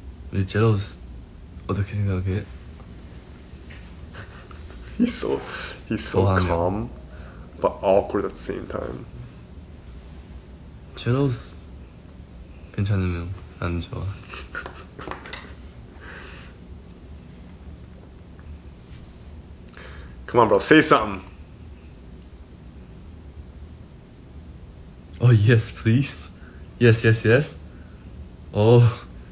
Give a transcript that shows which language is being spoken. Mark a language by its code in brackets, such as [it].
[ko] 우리 제로스 어떻게 생각해? [en] He's so calm, but awkward at the same time. [ko] 제로스 괜찮으면 나는 좋아. [en] Come on, bro. Say something. Oh yes, please. Yes, yes, yes. Oh.